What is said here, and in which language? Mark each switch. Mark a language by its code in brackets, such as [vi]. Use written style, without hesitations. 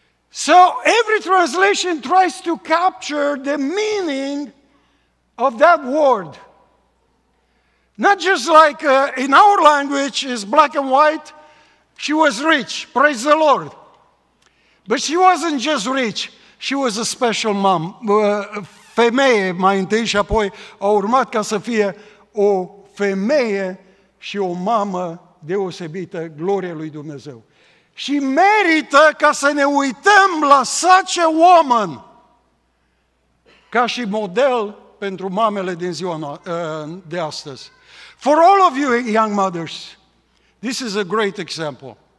[en] So every translation tries to capture the meaning of that word. Not just like in our language is black and white, she was rich, praise the Lord. But she wasn't just rich, she was a special mom. [ro] Femeie mai întâi și apoi a urmat ca să fie o femeie și o mamă deosebită, gloria lui Dumnezeu. Și merită ca să ne uităm la [en] such a woman [ro] ca și model pentru mamele din ziua de astăzi. [en] For all of you young mothers, this is a great example.